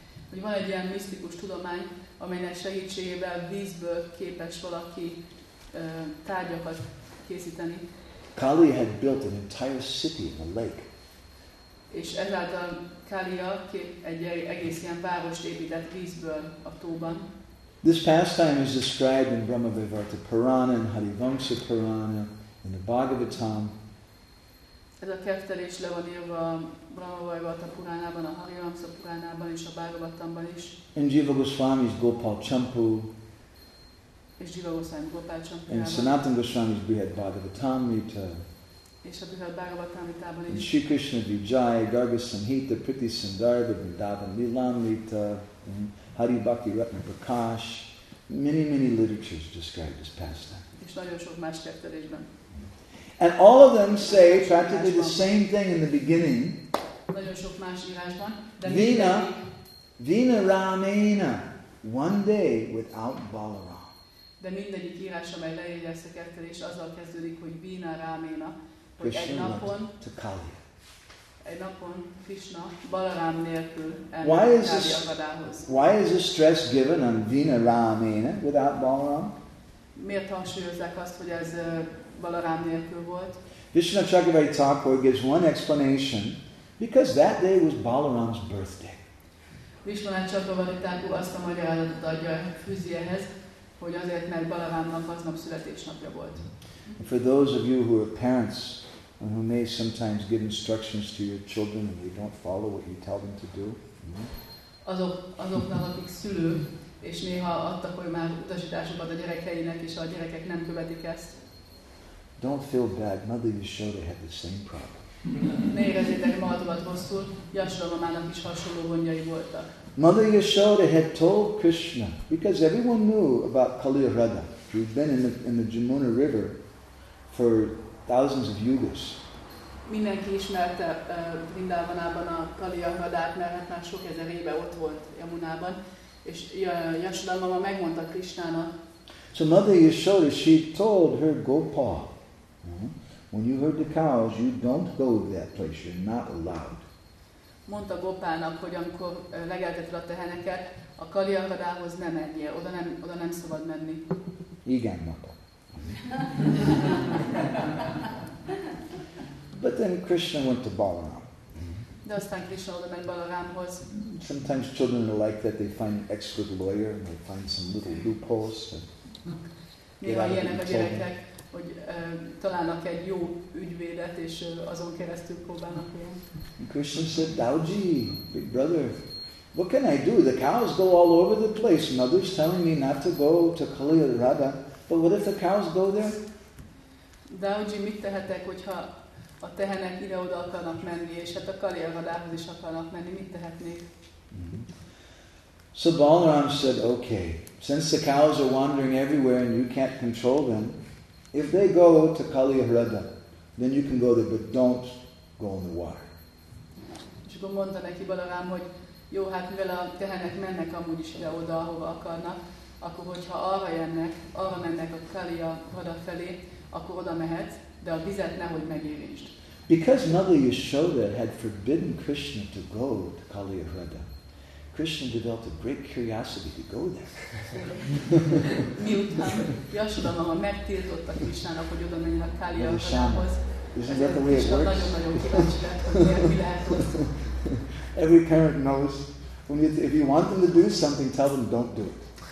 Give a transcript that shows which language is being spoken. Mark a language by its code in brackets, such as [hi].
[hu] Hogy van egy ilyen misztikus tudomány, amelynek segítségével vízből képes valaki tárgyakat készíteni. [en] Kaliya had built an entire city in a lake. [hu] És ezáltal Kaliya egy egész ilyen várost épített vízből a tóban. [en] This pastime is described in Brahma Vivarta Purana and Harivamsa Purana in the Bhagavatam. [hu] Ez a keftelés le van írva Brahma Vivarta Puranában, a Harivamsa Puranában és a Bhagavatamban is. [en] And Jiva Goswami's Gopal Champu. [hu] És Jiva Goswami Gopal Champu. [en] And Sanatan Goswami's Brihad Bhagavatamrita. [hu] És a Brihad Bhagavatamritában is. [en] And Shri Krishna Vijaya, Garga Samhita, Priti Sandarbha, Vrindavan Lilamrita, Hari Bhakti Ratna Prakash. Many, many literatures describe this pastime. [hu] És nagyon sok más keftelésben. [en] And all of them say practically the same thing in the beginning. [hu] Nagyon sok más írásban. [sa] Vina, Vina Ramena, [en] one day without Balaram. [hu] De mindegyik írás, amely leírja ezt a kettelés, azzal kezdődik, hogy Bina Ráména, hogy Krishna egy napon, [en] to Kaliya. [hu] Egy napon Krishna Balarám nélkül elmegy Kaliya vadához. [en] Why is the stress given on Bina Ráména without Balarám? [hu] miért hangsúlyozzák azt, hogy ez Balarám nélkül volt? [en] Vishnu Chakravarti Thakur gives one explanation, because that day was Balaram's birthday. [hu] Vishnu Chakravarti Thakur azt a magyarázatot adja fűzi ehhez, hogy azért, mert Balarámnak aznap születésnapja volt. [en] And for those of you who are parents and who may sometimes give instructions to your children and they don't follow what you tell them to do. [hu] Azoknak, akik szülők, és néha adtak olyan utasításokat a gyerekeinek, és a gyerekek nem követik ezt. [en] Don't feel bad. Mother Yashoda had the same problem. [hu] Ne érezzétek magatokat rosszul. Yashoda mamának is hasonló gondjai voltak. [en] Mother Yashoda had told Krishna, because everyone knew about Kaliarada, who'd been in the Jamuna River for thousands of yugas. [hu] Mindenki ismerte Vrindavanában a Kaliaradát, mert hát már sok ezer éve ott volt Jamunában, és Yashoda mama megmondta Krishnának. [en] So Mother Yashoda, she told her Gopal, when you heard the cows, you don't go to that place, you're not allowed. [hu] Mondta Gopának, hogy amikor legelteted a teheneket, a Kaliaradához ne menjél, oda nem szabad menni. Igen, mondta. [en] But then Krishna went to Balaram. [hu] De aztán Krishna oda ment Balarámhoz. [en] Sometimes children are like that, they find an expert lawyer and they find some little loopholes. [hu] Néha ilyenek a gyerekek, hogy találnak egy jó ügyvédet, és azon keresztül próbálnak jön. [en] Krishna said, Dauji, big brother, what can I do? The cows go all over the place. Mother's telling me not to go to Kaliarada. But what if the cows go there? [hu] Dauji, mit tehetek, hogyha a tehenek ide-oda akarnak menni, és hát a Kaliaradához is akarnak menni, mit tehetnék? [en] So Balaram said, okay, since the cows are wandering everywhere and you can't control them, if they go to Kaliarada, then you can go there, but don't go in the water. [hu] És akkor mondta neki Balaram, hogy jó, hát mivel a tehenek mennek amúgy is ide-oda, ahova akarnak, akkor hogyha arra mennek a Kaliarada felé, akkor oda mehetsz, de a vizet nehogy megérést. [en] Because Mother Yashoda had forbidden Krishna to go to Kaliarada, Krishna developed a great curiosity to go there. [hu] Miután Yashoda mama megtiltotta Krishnának, hogy oda menjen a Kaliaradához. [en] Isn't that the way it works? [hu] Nagyon-nagyon [en] every parent knows, if you want them to do something, tell them don't do it.